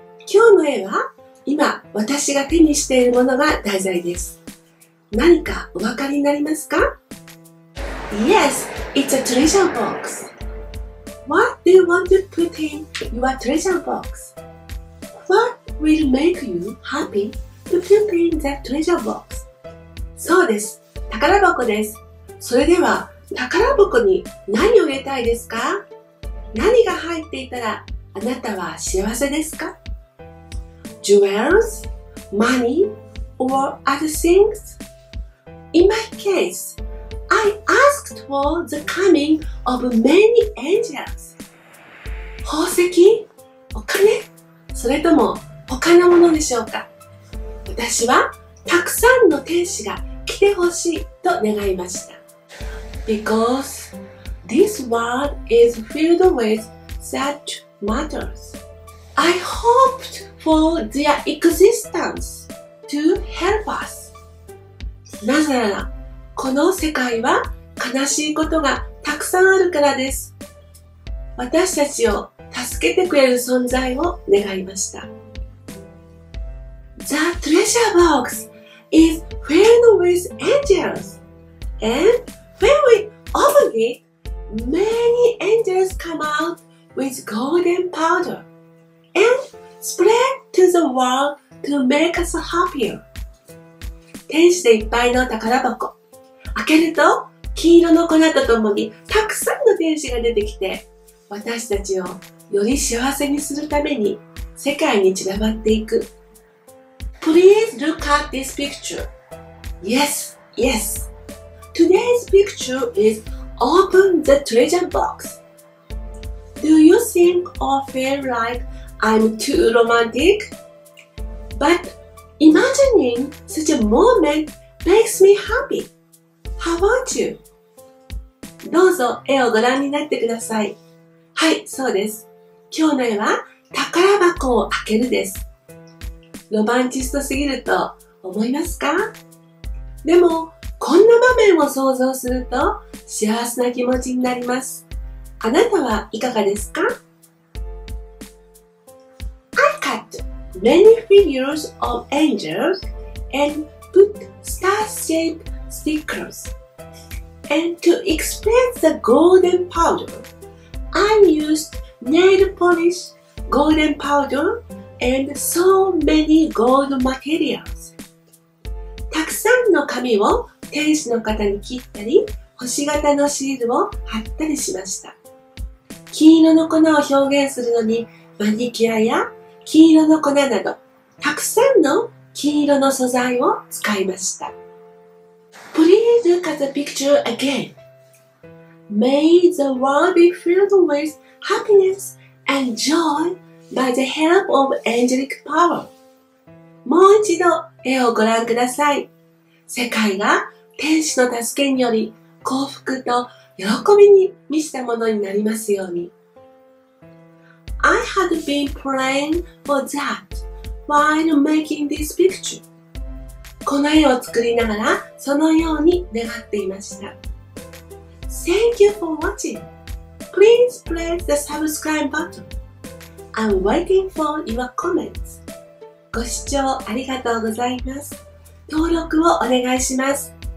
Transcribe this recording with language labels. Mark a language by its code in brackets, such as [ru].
[ja] 今日の絵は、今私が手にしているものが題材です。何かお分かりになりますか? [en] Yes, it's a treasure box. What do you want to put in your treasure box? Will make you happy to put in the treasure box. [ja] そうです。宝箱です。それでは、宝箱に何を入れたいですか? 何が入っていたら、あなたは幸せですか? [en] Jewels, money, or other things? In my case, I asked for the coming of many angels. [ja] 宝石?お金? それとも、他のものでしょうか。私はたくさんの天使が来てほしいと願いました。 [en] Because this world is filled with such matters. I hoped for their existence to help us. [ja] なぜなら、この世界は悲しいことがたくさんあるからです。私たちを助けてくれる存在を願いました。 [en] The treasure box is filled with angels. And when we open it, many angels come out with golden powder and spread to the world to make us happier. [ja] 天使でいっぱいの宝箱。開けると金色の粉とともにたくさんの天使が出てきて、私たちをより幸せにするために世界に散らばっていく。 [en] Please look at this picture. Yes, yes. Today's picture is Open the Treasure Box. Do you think or feel like I'm too romantic? But imagining such a moment makes me happy. How about you? [ja] どうぞ絵をご覧になってください。はい、そうです。今日の絵は宝箱を開けるです。ロマンチストすぎると思いますか? でも、こんな場面を想像すると幸せな気持ちになります。あなたはいかがですか? [en] I cut many figures of angels and put star-shaped stickers. And to express the golden powder, I used nail polish golden powderAnd so many gold materials. [ja] たくさんの紙を天使の方に切ったり、星形のシールを貼ったりしました。金色の粉を表現するのに、マニキュアや金色の粉など、たくさんの金色の素材を使いました。 [en] Please look at the picture again. May the world be filled with happiness and joy. By the help of angelic power. [ja] もう一度絵をご覧ください。世界が天使の助けにより幸福と喜びに満ちたものになりますように。 [en] I had been praying for that while making this picture. [ja] この絵を作りながらそのように願っていました。 [en] Thank you for watching. Please press the subscribe button. I'm waiting for your comments. [ja] ご視聴ありがとうございます。登録をお願いします。